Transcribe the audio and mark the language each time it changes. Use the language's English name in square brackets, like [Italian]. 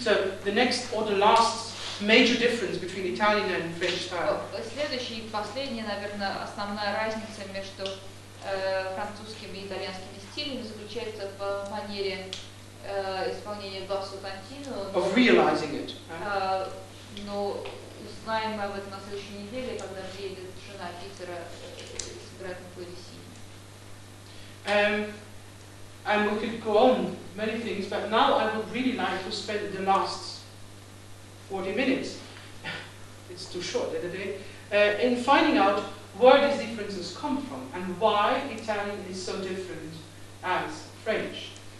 [English] So the next or the last major difference between Italian and French style. [Russian] Следующая и последняя, наверное, основная разница между французским и итальянским стилями заключается в манере исполнение басу континуо. [English] Of realizing it. [Russian] Но узнаем мы об этом на следующей неделе, когда приедет жена Питера сыграть на клавесине. [English] And we could go on many things, but now I would really like to spend the last 40 minutes. It's too short the other day. In finding out where these differences come from and why Italian is so different as French.